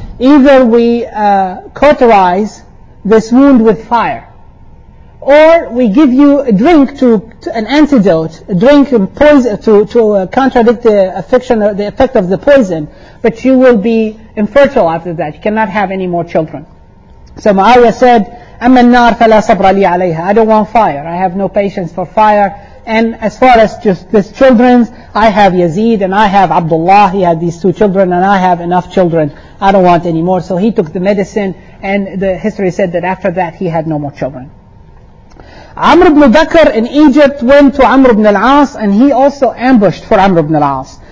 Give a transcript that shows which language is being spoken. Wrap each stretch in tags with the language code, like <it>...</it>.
<en>Either we cauterize this wound with fire, or we give you a drink to an antidote, a drink and poison to contradict the affection, the effect of the poison, but you will be infertile after that. You cannot have any more children. So Muawiyah said,</en> <ar>أَمَّا النَّارَ فَلَا صَبْرَ لِي عَلَيْهَا.</ar> <en>I don't want fire. I have no patience for fire. And as far as just this children, I have Yazid and I have Abdullah. He had these two children and I have enough children. I don't want any more. So he took the medicine, and the history said that after that he had no more children. Amr ibn Bakr in Egypt went to Amr ibn al-As, and he also ambushed for Amr ibn al-As.</en>